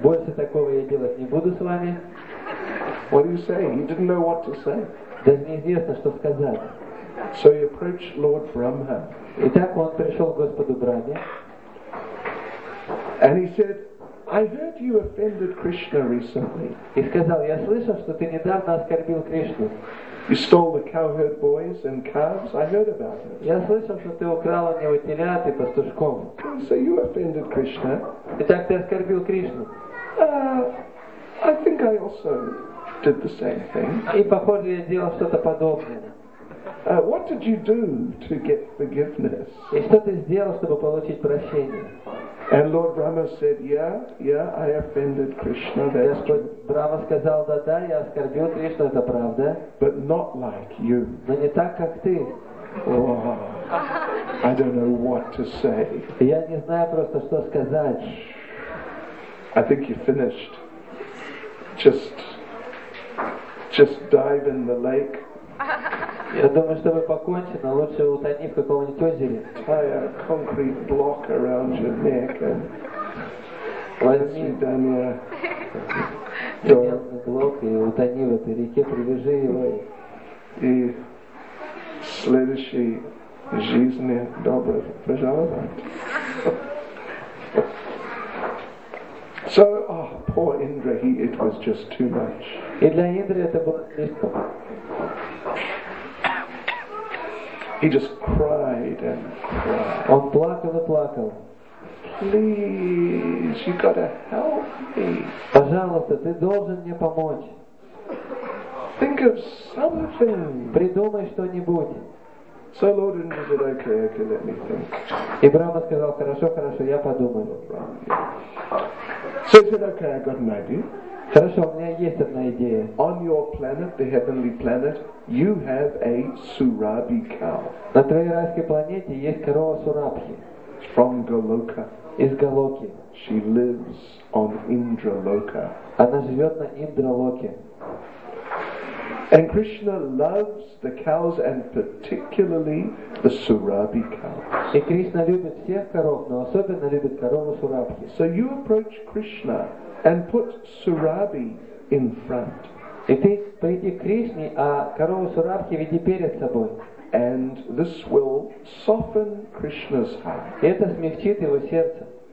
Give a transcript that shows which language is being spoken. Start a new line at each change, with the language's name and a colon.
Russian: Больше такого я делать не буду с вами.
English: What do you say? You didn't know what to say.
Russian: Даже неизвестно, что сказать.
English: So you approach Lord Brahma.
Russian: Итак, он пришел к Господу Брахме.
English: And he said, I heard you offended Krishna recently.
Russian: И сказал, я слышал, что ты недавно оскорбил Кришну.
English: You stole the cowherd boys and calves. I heard about it.
Russian: Я слышал, что ты украл у него телят и пастушков.
English: So you offended Krishna.
Russian: Итак, ты оскорбил Кришну.
English: I think I also did the same thing.
Russian: И похоже, я сделал что-то подобное.
English: What did you do to get forgiveness?
Russian: И что ты сделал, чтобы получить прощение?
English: And Lord Brahma said, Yeah, I offended Krishna. That's true.
Russian: Господь Брама сказал, да, я оскорбил Кришну, это правда.
English: But not like you.
Russian: Но не так, как ты.
English: Oh, I don't know what to say.
Russian: Я не знаю просто, что сказать.
English: I think you finished. Just dive in the lake.
Russian: Я думаю, что вы покончили, но лучше утони в каком-нибудь озере.
English: Tie a concrete block around your neck and once you've done your
Russian: деревянный блок и утони в этой реке, привяжи его. И следующий жизни добрый, пожалуйста.
English: So, oh, poor Indra, it was just too much.
Russian: И для Индры это было слишком.
English: He just cried and cried.
Russian: Он плакал и плакал.
English: Please, you gotta help me.
Russian: Пожалуйста, ты должен мне помочь.
English: Think of something.
Russian: Придумай что-нибудь.
English: So Lord Indra said, okay, let me think.
Russian: И Брама сказал, хорошо, я подумаю.
English: So he said, okay, I got an idea.
Russian: Хорошо, у меня есть одна идея.
English: On your planet, the heavenly planet, you have a Surabhi cow.
Russian: На твоей райской планете есть корова Сурабхи.
English: From Goloka.
Russian: Из Голоки.
English: She lives on Indraloka.
Russian: Она живет на Индралоке.
English: And Krishna loves the cows and particularly the Surabhi cows.
Russian: И Кришна любит всех коров, но особенно любит корову Сурабхи.
English: So you approach Krishna and put Surabhi in front.
Russian: И ты приди к Кришне, а корову Сурабхи веди перед собой.
English: And this will soften Krishna's heart.
Russian: И это смягчит его сердце.